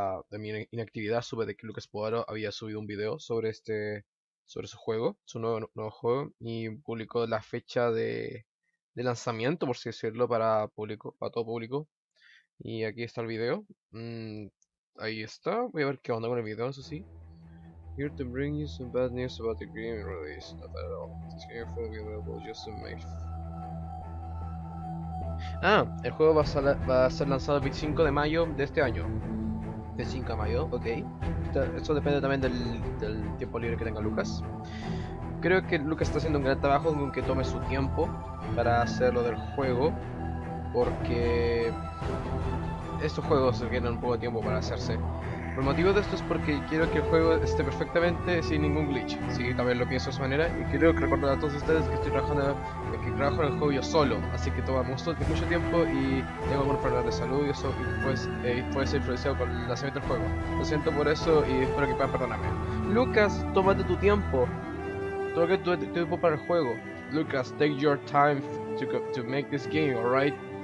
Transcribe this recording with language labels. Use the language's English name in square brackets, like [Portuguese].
[Spanish] De mi inactividad, supe de que Lucas Podaro había subido un video sobre sobre su juego, su nuevo juego, y publicó la fecha de lanzamiento, por así decirlo, para público, para todo público. Y aquí está el video. Ahí está. Voy a ver qué onda con el video, eso sí. [English] Here to bring you some bad news about the game release. Not bad at all. This game will be available just in May. [Spanish] Ah, el juego va a ser lanzado el 25 de mayo de este año. 25 de mayo, ok. Esto depende también del tiempo libre que tenga Lucas. Creo que Lucas está haciendo un gran trabajo, aunque tome su tiempo para hacer lo del juego, porque estos juegos requieren un poco de tiempo para hacerse. El motivo de esto es porque quiero que el juego esté perfectamente sin ningún glitch. Sí, también lo pienso de esa manera. Y quiero recordar a todos ustedes que estoy trabajando en que trabajo en el juego yo solo. Así que toma mucho tiempo y tengo algunos problemas de salud y eso. Y puede ser influenciado por el lanzamiento del juego. Lo siento por eso y espero que puedan perdonarme. Lucas, tómate tu tiempo. Tómate tu tiempo para el juego. [English] Lucas, take your time to make this game, alright?